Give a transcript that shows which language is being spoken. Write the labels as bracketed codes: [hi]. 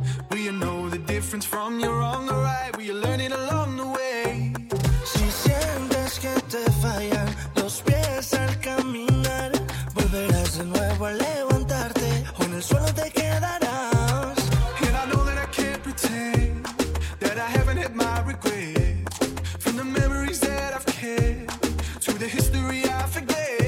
[en] Will you know the difference from your wrong or right? Will you learn it along the way? [es] Si sientes que te fallan los pies al caminar, volverás de nuevo a levantarte, o en el suelo te quedarás. [en] And I know that I can't pretend that I haven't had my regrets, from the memories that I've kept to the history I forget.